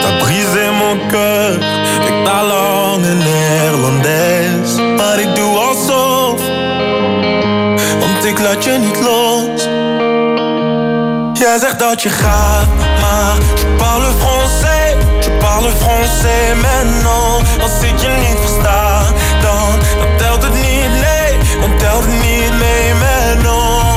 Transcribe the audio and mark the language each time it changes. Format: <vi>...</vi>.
<fr>T'as brisé mon cœur avec ta langue néerlandaise.</fr> <nl>Maar ik doe alsof, want ik laat je niet los. Jij zegt dat je gaat, maar</nl> <fr>je parle français. Je parle français, mais non.</fr> <nl>Als ik je niet versta, dan telt het niet, nee. Dan telt het niet mee,</nl> <fr>mais non.</fr>